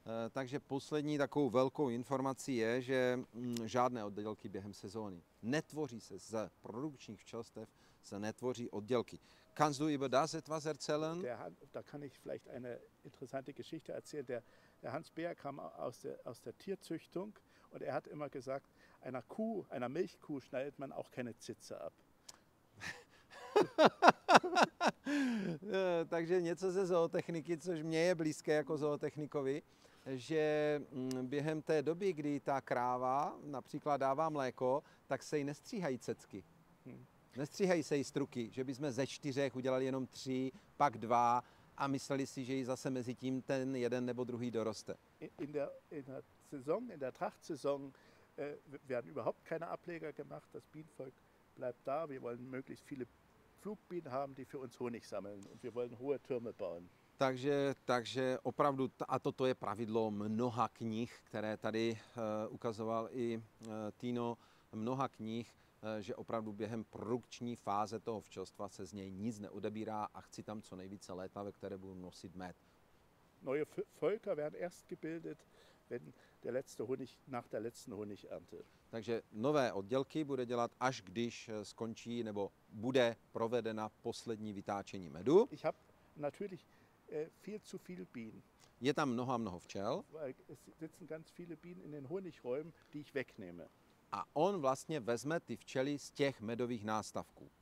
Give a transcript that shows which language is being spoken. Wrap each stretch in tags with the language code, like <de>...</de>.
<cs>Takže poslední takovou velkou informací je, že žádné oddělky během sezóny. Netvoří se z produkčních včelstev, se netvoří oddělky.</cs> <de>Kannst du über das etwas erzählen? Da kann ich vielleicht eine interessante Geschichte erzählen. Der Hans Bär kam aus der Tierzüchtung und er hat immer gesagt, einer Milchkuh schneidet man auch keine Zitze ab.</de> <cs>Takže něco ze zootechniky, což mě je blízké jako zootechnikovi, že během té doby, kdy ta kráva například dává mléko, tak se jí nestříhají cecky. Nestříhají se jí struky, že bychom ze čtyřech udělali jenom tři, pak dva a mysleli si, že jí zase mezi tím ten jeden nebo druhý doroste.</cs> <de>In der Saison, in der Trachtsaison werden überhaupt keine Ableger gemacht. Das Bienenvolk bleibt da. Wir wollen möglichst viele Flugbienen haben, die für uns Honig sammeln. Und wir wollen hohe Türme bauen.</de> <cs>Takže opravdu, a toto je pravidlo mnoha knih, které tady ukazoval i Tino, mnoha knih, že opravdu během produkční fáze toho včelstva se z něj nic neodebírá a chci tam co nejvíce léta, ve které budu nosit med.</cs> <de>Neue Völker werden erst gebildet, wenn der letzte Honig nach der letzten Honigernte.</de> <cs>Takže nové oddělky bude dělat až když skončí nebo bude provedena poslední vytáčení medu.</cs> <de>Ich habe natürlich viel zu viel Bienen.</de> <cs>Je tam mnoho včel.</cs> <de>Es sitzen ganz viele Bienen in den Honigräumen, die ich wegnehme.</de> <cs>A on vlastně vezme ty včely z těch medových nástavků.</cs>